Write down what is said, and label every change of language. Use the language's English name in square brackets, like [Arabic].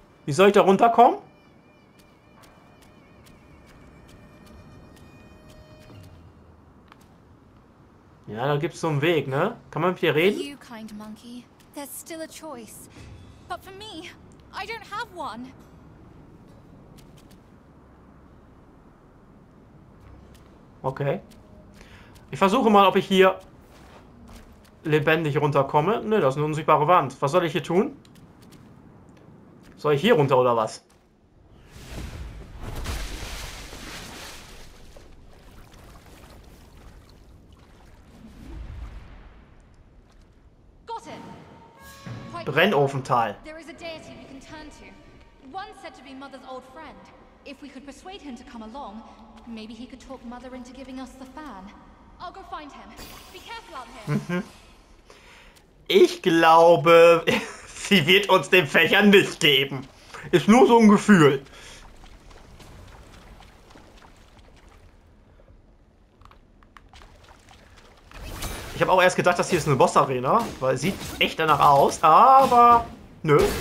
[German] Wie soll ich da runterkommen? Ja, da gibt's so einen Weg, ne? Kann man mit dir reden? [English] You kind monkey, there's still a choice. But for me, I don't have one. Okay. [German] Ich versuche mal, ob ich hier lebendig runterkomme. Ne, das ist eine unsichtbare Wand. Was soll ich hier tun? Soll ich hier runter oder was? Brennofental. [English] There is a deity we can turn to. One said to be Mother's old friend. If we could persuade him to come along, maybe he could talk Mother into giving us the fan. I'll go find him. Be careful out here. [German] Ich glaube, sie wird uns den Fächer nicht geben. Ist nur so ein Gefühl. Ich habe auch erst gedacht, dass hier ist eine Boss-Arena, weil sieht echt danach aus, aber nö.